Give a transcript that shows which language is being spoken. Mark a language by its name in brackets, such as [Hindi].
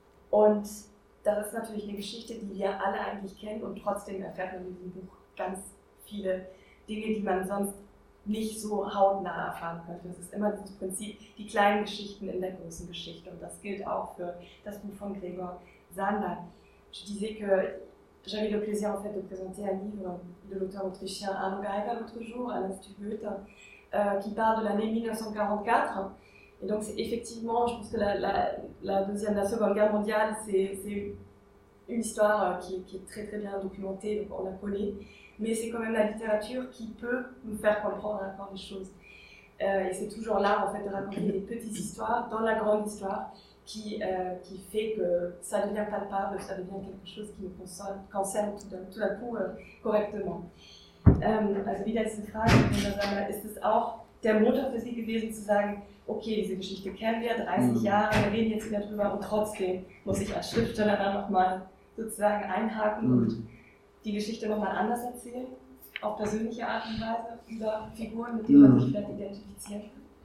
[German] Und das ist natürlich eine Geschichte, die wir alle eigentlich kennen, und trotzdem erfährt man in diesem Buch ganz viele Dinge, die man sonst nicht so hautnah erfahren könnte. Es ist immer das Prinzip, die kleinen Geschichten in der großen Geschichte. Und das gilt auch für das Buch von Gregor Sander. [French] Je disais que j'avais le plaisir en fait de présenter un livre de l'auteur autrichien Arno Geiger l'autre jour à l'Institut Goethe, qui part de l'année 1944. Et donc c'est effectivement, je pense que la Seconde Guerre mondiale, c'est une histoire qui est très très bien documentée, donc on la connaît, mais c'est quand même la littérature qui peut nous faire comprendre encore des choses. Et c'est toujours l'art en fait de raconter des petites histoires dans la grande histoire qui fait que ça devient palpable, ça devient quelque chose qui nous concerne tout à coup correctement. [German] Also wie letzte Frage, ist es auch der Motor für Sie gewesen zu sagen, okay, diese Geschichte kennen wir, 30 Jahre, wir reden jetzt wieder drüber, und trotzdem muss ich als Schriftsteller dann nochmal sozusagen einhaken und die Geschichte nochmal anders erzählen, auf persönliche Art und Weise, über Figuren, mit denen man sich vielleicht identifizieren kann?